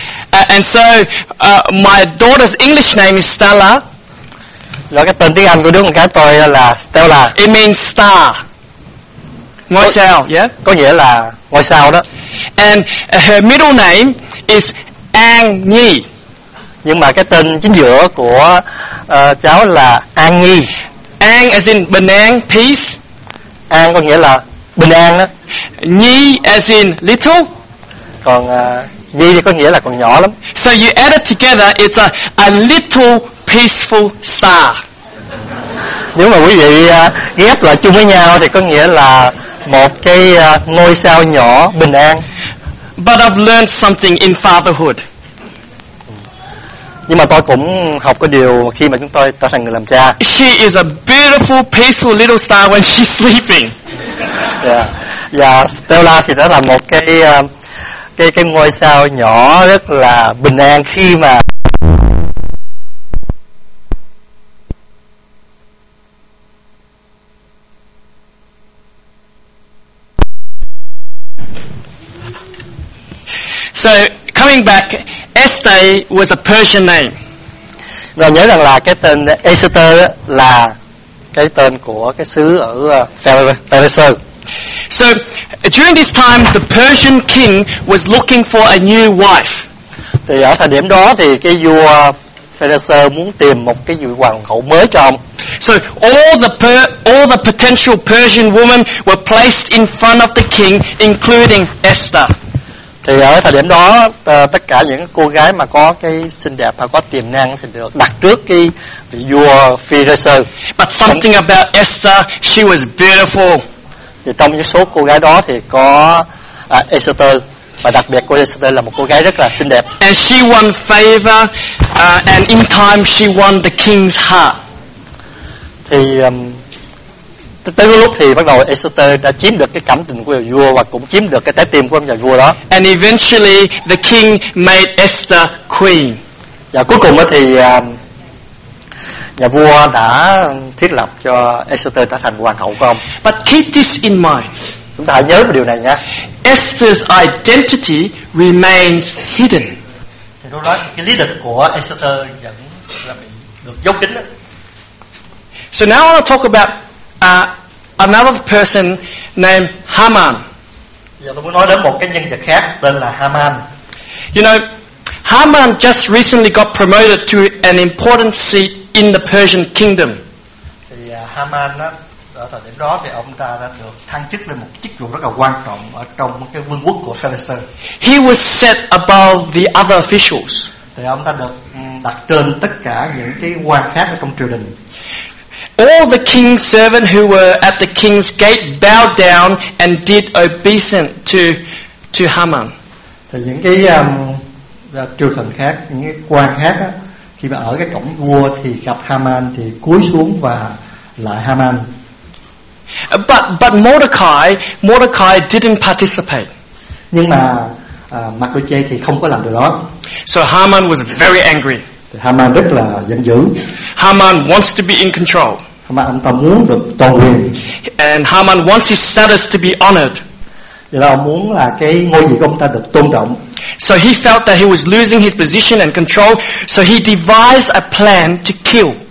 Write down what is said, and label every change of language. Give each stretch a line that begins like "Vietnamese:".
English: And so my daughter's English name is Stella.
Vietnamese: Rồi cái tên tiếng Anh của đứa con gái tôi là Stella.
English: It means star.
Vietnamese: Ngôi sao,
English: yeah?
Vietnamese: Có nghĩa là ngôi sao đó.
English: And her middle name is An Nhi.
Vietnamese: Nhưng mà cái tên chính giữa của cháu là An Nhi.
English: An as in bình an, peace.
Vietnamese: An có nghĩa là bình an đó.
English: Nhi as in little.
Vietnamese: Còn Nhi thì có nghĩa là còn nhỏ lắm.
English: So you add it together, it's a little peaceful star.
Vietnamese: Nếu mà quý vị ghép lại chung với nhau thì có nghĩa là một cái ngôi sao nhỏ bình an.
English: But I've learned something in fatherhood.
Vietnamese: Nhưng mà tôi cũng học cái điều khi mà chúng tôi trở thành người làm cha.
English: She is a beautiful peaceful little star when she's sleeping.
Vietnamese: Yeah, Stella thì đó là một cái ngôi sao nhỏ rất là bình an khi mà
English: so coming back, Esther was a Persian name.
Vietnamese: Và nhớ rằng là cái tên Esther là cái tên của cái xứ ở Phê-rơ-sơ.
English: So during this time, the Persian king was looking for a new wife.
Vietnamese: Thì ở thời điểm đó thì cái vua Pharaoh muốn tìm một cái vị hoàng hậu mới cho ông.
English: So all the potential Persian women were placed in front of the king, including Esther.
Vietnamese: Thì ở thời điểm đó tất cả những cô gái mà có cái xinh đẹp và có tiềm năng thì được đặt trước cái vị vua Pharaoh.
English: But something about Esther, she was beautiful.
Vietnamese: Thì trong những số cô gái đó thì có Esther, và đặc biệt cô Esther là một cô gái rất là xinh đẹp.
English: And she won favor and in time she won the king's heart.
Vietnamese: Thì tới cái lúc thì bắt đầu Esther đã chiếm được cái cảm tình của vua và cũng chiếm được cái trái tim của ông nhà vua đó.
English: And eventually the king made Esther queen.
Vietnamese: Và cuối cùng thì nhà vua đã thiết lập cho Esther trở thành hoàng hậu của ông.
English: But keep this in mind.
Vietnamese: Chúng ta hãy nhớ một điều này nhé.
English: Esther's identity remains hidden.
Vietnamese: Thì lúc đó cái lý lịch của Esther vẫn là bị được giấu kín.
English: So now I want to talk about another person named Haman.
Vietnamese: Giờ tôi muốn nói đến một cái nhân vật khác tên là Haman.
English: You know, Haman just recently got promoted to an important seat in the Persian kingdom.
Vietnamese: Thì Haman đó, ở thời điểm đó thì ông ta đã được thăng chức lên một chức vụ rất là quan trọng ở trong cái vương quốc của Pharisee.
English: He was set above the other officials.
Vietnamese: Thì ông ta được đặt trên tất cả những cái quan khác ở trong triều đình.
English: All the king's servants who were at the king's gate bowed down and did obeisance to Haman.
Vietnamese: Thì những cái triều thần khác, những cái quan khác á, khi mà ở cái cổng vua thì gặp Haman thì cúi xuống và lại Haman.
English: But Mordecai didn't participate.
Vietnamese: Nhưng mà Mordecai thì không có làm điều đó.
English: So Haman was very angry.
Vietnamese: Haman rất là giận dữ.
English: Haman wants to be in control.
Vietnamese: Haman ta muốn được toàn quyền.
English: And Haman wants his status to be honored.
Vietnamese: Vậy là ông muốn là cái ngôi vị của ông ta được tôn trọng.
English: So he felt that he was losing his position and control, so he devised a plan to kill.